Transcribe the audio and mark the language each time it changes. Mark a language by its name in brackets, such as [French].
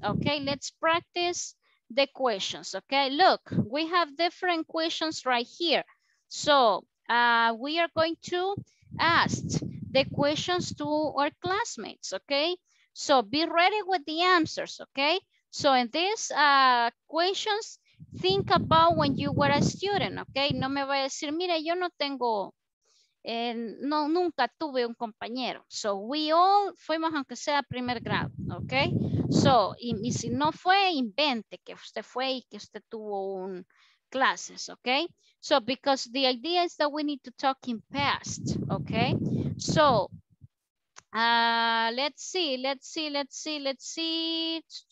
[English] Okay, let's practice the questions. Okay, look, we have different questions right here. So we are going to ask the questions to our classmates. Okay, so be ready with the answers. Okay, so in these questions, think about when you were a student. [Spanish] Okay, no me voy a decir, mire, yo no tengo. No, nunca tuve un compañero. [English] So we all [Spanish] fuimos aunque sea primer grado, okay? So, y si no fue, invente que usted fue y que usted tuvo un clases, okay? [English] So because the idea is that we need to talk in past, okay? So, let's see.